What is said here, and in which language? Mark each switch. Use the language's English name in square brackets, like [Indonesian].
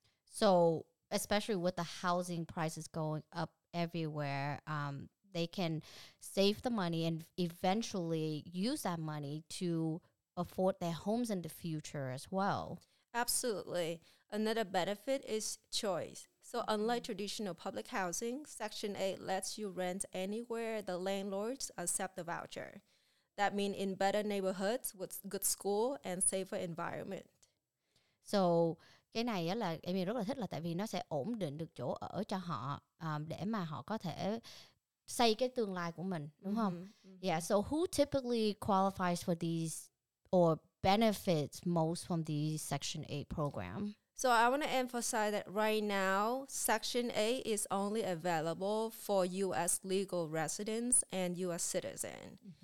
[English] So especially with the housing prices going up everywhere, they can save the money and eventually use that money to afford their homes in the future as well. Absolutely. Another benefit is choice. So unlike traditional public housing, Section 8 lets you rent anywhere the landlords accept the voucher. That means in better neighborhoods with good school and safer environment. [Vietnamese] So cái này á là em rất là thích, là tại vì nó sẽ ổn định được chỗ ở cho họ, để mà họ có thể xây cái tương lai của mình, đúng không? [English] Yeah, so who typically qualifies for these or benefits most from these Section 8 program? So I want to emphasize that right now, Section 8 is only available for U.S. legal residents and U.S. citizens.